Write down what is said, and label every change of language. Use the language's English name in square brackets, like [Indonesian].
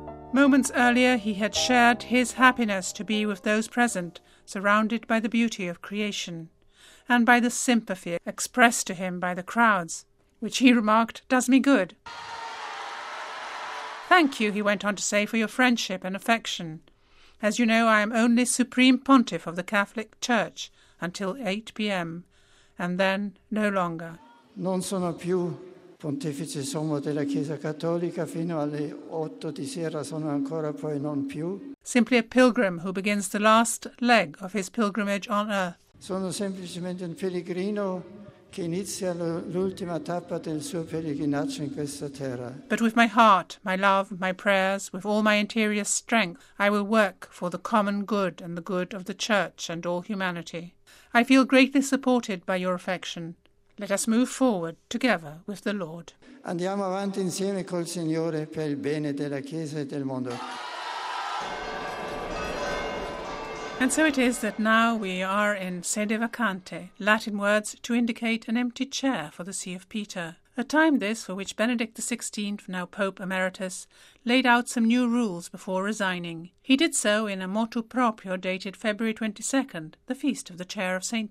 [English] Moments earlier, he had shared his happiness to be with those present, surrounded by the beauty of creation, and by the sympathy expressed to him by the crowds, which he remarked, "Does me good." "Thank you," he went on to say, "for your friendship and affection. As you know, I am only Supreme Pontiff of the Catholic Church until 8 p.m, and then no longer." [Italian] "Non sono più Pontefice Sommo della Chiesa Cattolica fino alle 8 di sera, sono ancora poi non più." [English] Simply a pilgrim who begins the last leg of his pilgrimage on earth. [Italian] "Sono semplicemente un pellegrino che inizia l'ultima tappa del suo pellegrinaggio in questa terra." [English] "But with my heart, my love, my prayers, with all my interior strength, I will work for the common good and the good of the Church and all humanity. I feel greatly supported by your affection. Let us move forward together with the Lord." [Italian] "Andiamo avanti insieme col Signore per il bene della Chiesa e del mondo." [English] And so it is that now we are in sede vacante, Latin words to indicate an empty chair for the See of Peter. A time this for which Benedict XVI, now Pope Emeritus, laid out some new rules before resigning. He did so in a motu proprio dated February 22nd, the feast of the chair of St.